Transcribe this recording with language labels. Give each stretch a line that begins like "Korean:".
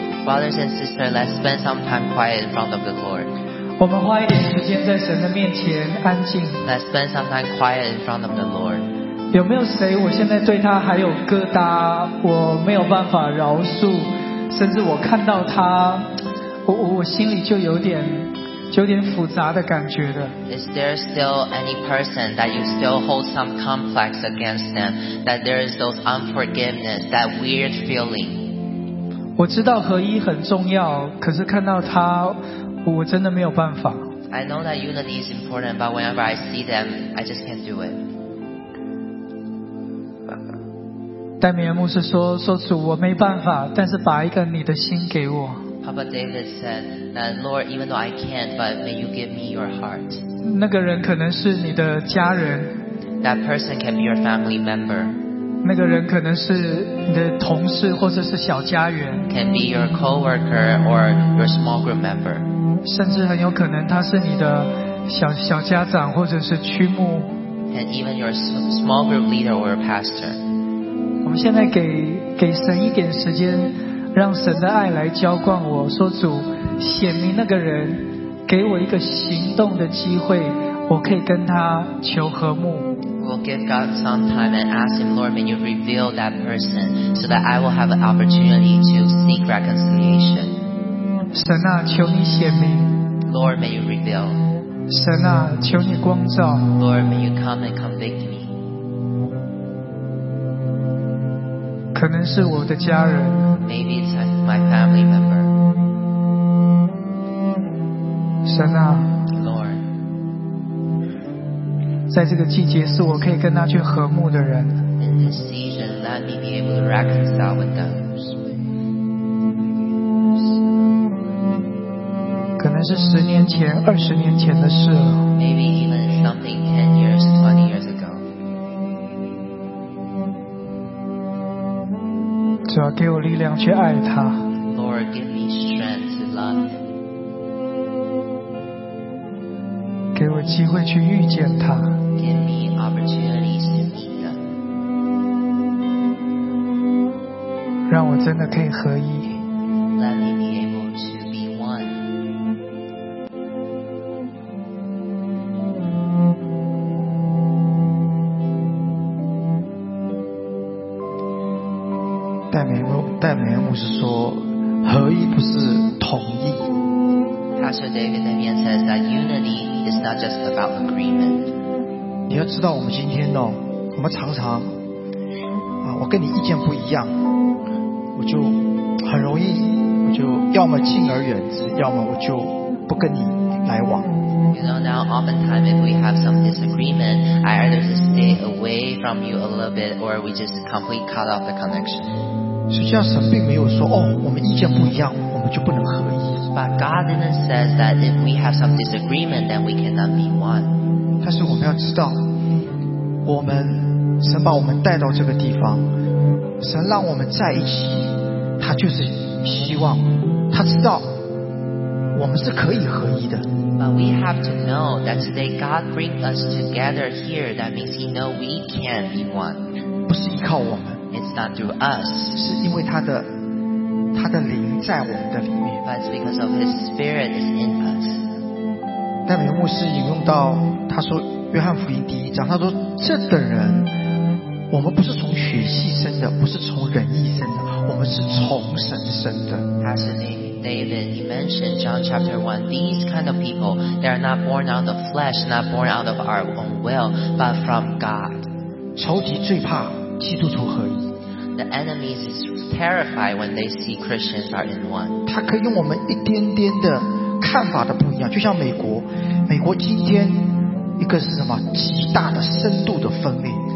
English: Brothers and sisters, let's spend some time quiet in front of the Lord.
Chinese: 我们花一点时间在神的面前安静。
English: Let's spend some time quiet in front of the Lord.
Chinese: 有没有谁我现在对他还有疙瘩，我没有办法饶恕，甚至我看到他，我心里就有点复杂的感觉的。
English: Is there still any person that you still hold some complex against them, that there is those unforgiveness, that weird feeling?
Chinese: 我知道合一很重要，可是看到他，我真的没有办法。
English: I know that unity is important, but whenever I see them, I just can't do it.
Chinese: 戴美元牧师说主，我没办法，但是把一个你的心给我。
English: Papa David said that, Lord, even though I can't, but may you give me your heart.
Chinese: 那个人可能是你的家人。
English: That person can be your family member.
Chinese: 那个人可能是你的同事或者是小家人。
English: Can be your coworker or your small group member.
Chinese: 甚至很有可能他是你的小家长或者是区牧。
English: And even your small group leader or pastor.
Chinese: 我们现在给神一点时间，让神的爱来浇灌我，说主，显明那个人，给我一个行动的机会，我可以跟他求和睦。
English: We'll give God some time and ask Him, Lord, may you reveal that person so that I will have an opportunity to seek reconciliation.
Chinese: 神啊，求你显明。
English: Lord, may you reveal.
Chinese: 神啊，求你光照。
English: Lord, may you come and convict me.
Chinese: 可能是我的家人。
English: Maybe it's my family member.
Chinese: 神啊，
English: Lord,
Chinese: 在这个季节是我可以跟他去和睦的人。
English: In this season, let me be able to reconcile with them.
Chinese: 可能是十年前、二十年前的事了。
English: Maybe even something 10 years, 20 years ago.
Chinese: 主要给我力量去爱他。
English: Lord, give me strength to love.
Chinese: 给我机会去遇见他。
English: Give me opportunities to meet him.
Chinese: 让我真的可以合一。
English: Let me be able to be one.
Chinese: 戴美元牧师说，合一不是统一。
English: Pastor David 那边 says that unity is not just about agreement.
Chinese: 你要知道我们今天哦，我们常常啊，我跟你意见不一样，我就很容易，我就要么敬而远之，要么我就不跟你来往。
English: You know, now oftentimes if we have some disagreement, I either just stay away from you a little bit, or we just completely cut off the connection.
Chinese: 实际上神并没有说哦，我们意见不一样，我们就不能合一。
English: But God didn't say that if we have some disagreement, then we cannot be one.
Chinese: 但是我们要知道，我们神把我们带到这个地方，神让我们在一起，他就是希望，他知道我们是可以合一的。
English: But we have to know that today God brings us together here. That means He knows we can be one.
Chinese: 不是依靠我们。
English: It's not through us.
Chinese: 是因为他的灵在我们的里面。
English: But it's because of His Spirit is in us.
Chinese: 戴维牧师引用到他说《约翰福音》第一章，他说：“这等人，我们不是从血气生的，不是从人意生的，我们是从神生的。” 他是你。
English: David, he mentioned John chapter 1, these kind of people, they are not born out of flesh, not born out of our own will, but from God.
Chinese: 仇敌最怕基督徒合一。
English: The enemies is terrified when they see Christians are in one.
Chinese: 他可以用我们一点点的看法的不一样，就像美国今天一个是什么极大的深度的分裂。